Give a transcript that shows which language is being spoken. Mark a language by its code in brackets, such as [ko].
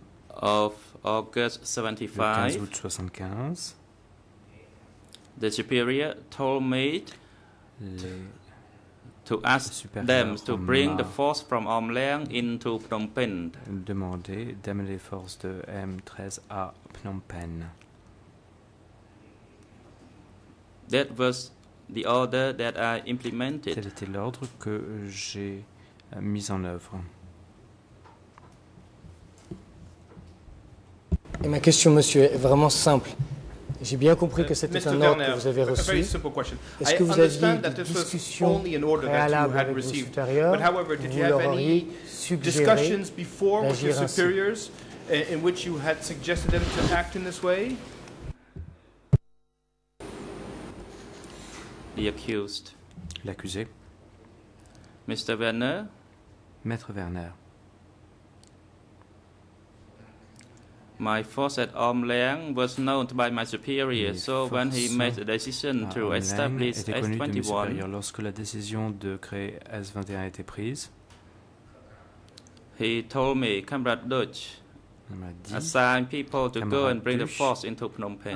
[en] of August 75, [fr] le 15 août 75, [en] the superior told me to ask them to bring the force from Om Leng into Phnom Penh. [fr] Demander d'amener les forces de M13 à Phnom Penh. [en] That was the order that I implemented. [fr] Tel était l'ordre que j'ai mis en œuvre. Et ma question, monsieur, est vraiment simple. J'ai bien compris que c'était un ordre que vous avez reçu. Est-ce que vous aviez des discussions préalables avec vos supérieurs ou vous leur auriez suggéré d'agir ainsi? [en] In which you had suggested them to act in this way? The accused. [fr] L'accusé. [en] Mr. Werner. [fr] Maître Werner. [en] My force at Om Leng was known by my superior, so when he made the decision to establish S21, [fr] lorsque la décision de créer S21 a été prise, [en] he told me, Comrade Dutch, assign people to go and bring the force into Phnom Penh.